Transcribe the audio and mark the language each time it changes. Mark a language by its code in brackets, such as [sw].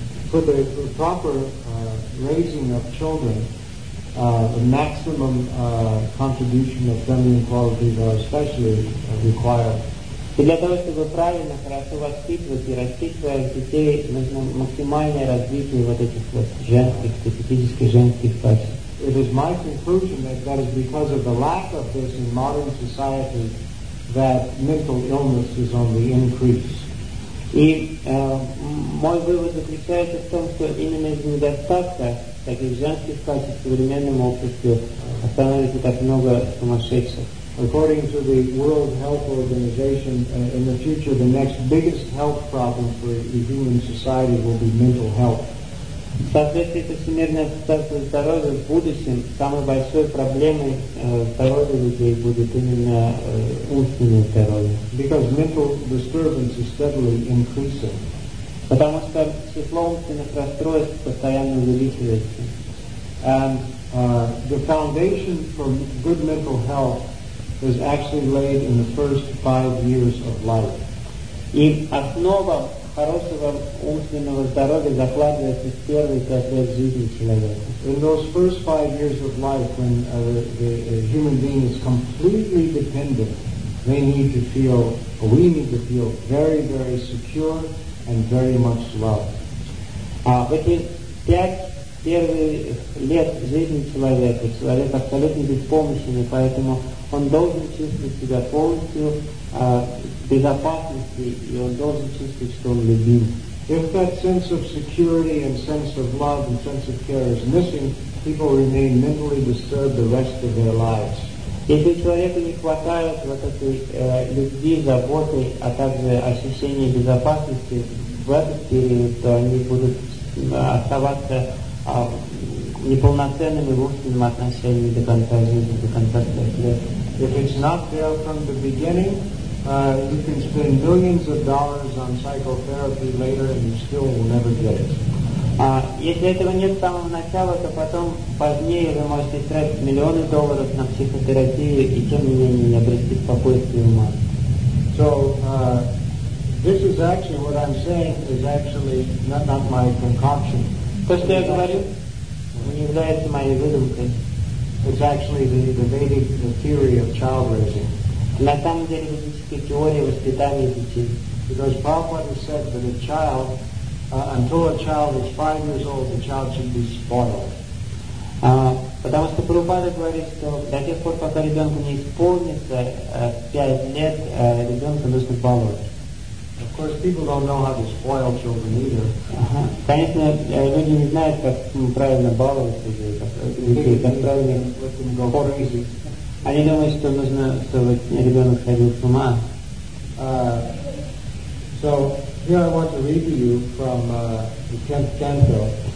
[en] For the proper raising of children, the maximum contribution of feminine qualities are especially required. [ru] И для того, чтобы правильно, хорошо воспитывать и растить своих детей, нужно максимальное развитие вот этих вот женских, специфических женских качеств. [en] It is my conclusion that that is because of the lack of this in modern society that mental illness is on the increase. [ru] И мой вывод заключается в том, что именно из-за недостатка таких женских качеств в современном обществе становится так много сумасшедших. [en] According to the World Health Organization, in the future, the next biggest health problem for the human society will be mental health. [ru] Соответственно, это всемирное состояние здоровья в будущем самой большой проблемой здоровья людей будет именно умственное здоровье. [en] Because mental disturbance is steadily increasing. [ru] Потому что число умственных расстройств постоянно увеличивается. [en] And the foundation for good mental health is actually laid in the first 5 years of life. [ru] И основа хорошего умственного здоровья закладывается в первые 5 лет жизни человека. [en] In those first 5 years of life, when the human being is completely dependent, we need to feel very, very secure and very much loved. [ru] В эти 5 первых лет жизни человека, человек абсолютно беспомощен, и поэтому он должен чувствовать себя полностью безопасности, и он должен чувствовать, что он любим. [en] If that sense of security and sense of love and sense of care is missing, people remain mentally disturbed the rest of their lives. [ru] Если человеку не хватает вот этой любви, заботы, а также ощущения безопасности в этот период, то они будут оставаться неполноценными в умственном отношении до конца жизни, до конца своих лет. [en] If it's not there from the beginning, you can spend millions of dollars on psychotherapy later and you still will never get it. [ru] Если этого нет с самого начала, то потом, позднее, вы можете тратить миллионы долларов на психотерапию и тем не менее не обрести спокойствие ума. [en] So, This is actually what I'm saying is actually not my concoction. [ru] То, что я говорю, не является моей выдумкой. [en] It's actually the Vedic theory of child raising. [ru] На самом деле ведическая теория воспитания детей. [en] Because Prabhupada said that a child, until a child is 5 years old, the child should be spoiled. [ru] Потому что Прабхупада говорит, что до тех пор, пока ребенку не исполнится 5 лет, ребенка нужно баловать. [en] Of course, people don't know how to spoil children either. [ru] Конечно, люди не знают, как правильно баловать детей, как правильно кормить их. Они думают, что нужно, чтобы ребенок ходил с ума. [en] So here I want to read to you from the 10th canto.